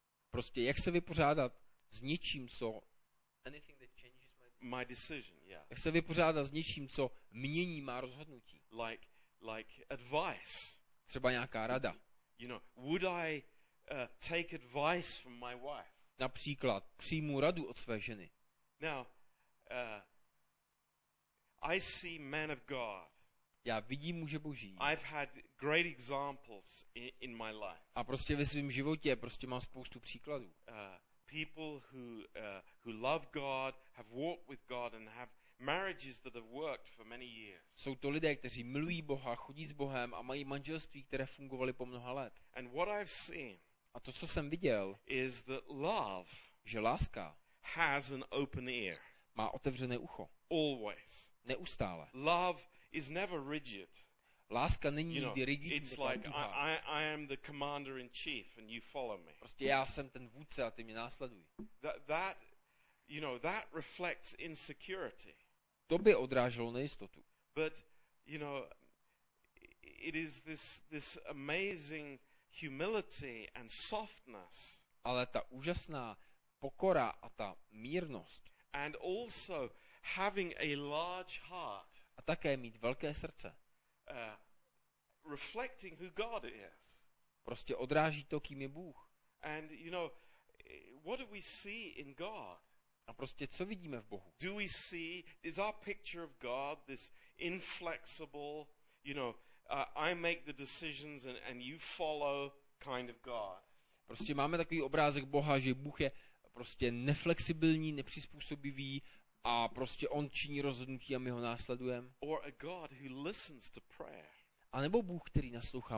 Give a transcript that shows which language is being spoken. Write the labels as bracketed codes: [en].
[cs] Prostě jak se vypořádat s něčím, co [en] anything that changes my decision, yeah. [cs] Jak se vypořádat s něčím, co mění má rozhodnutí? [en] Like advice. [cs] Třeba nějaká rada. [en] You know, would I take advice from my wife? [cs] Například přijmu radu od své ženy. [en] Now, I see men of God. [cs] Já vidím muže Boží. [en] I've had great examples in my life. [cs] A prostě ve svém životě prostě mám spoustu příkladů. [en] People who love God, have walked with God and have marriages that have worked for many years. [cs] Jsou to lidé, kteří milují Boha, chodí s Bohem a mají manželství, které fungovaly po mnoha let. [en] And what I've seen, [cs] a to, co jsem viděl, [en] is that love, [cs] že láska [en] has an open ear, [cs] má otevřené ucho. [en] Always. [cs] Neustále. [en] Love is never rigid. [cs] Láska není nikdy rigidní. [en] It's like I am the commander in chief and you follow me. [cs] Prostě já jsem ten vůdce a ty mě následuj. [en] That You know, that reflects insecurity. [cs] To by odráželo nejistotu. [en] But, you know, it is this amazing humility and softness. [cs] Ale ta úžasná pokora a ta mírnost. [en] And also having a large heart. [cs] A také mít velké srdce. [en] Reflecting who God is. [cs] Prostě odráží to, kým je Bůh. [en] And you know, what do we see in God? [cs] A prostě co vidíme v Bohu? [en] Do we see, is our picture of God this inflexible, you know, I make the decisions and you follow kind of God? [cs] Prostě máme takový obrázek Boha, že Bůh je prostě neflexibilní, nepřizpůsobivý a prostě on činí rozhodnutí a my ho následujeme. [en] Or a God who listens to prayer. [cs] A nebo Bůh, který naslouchá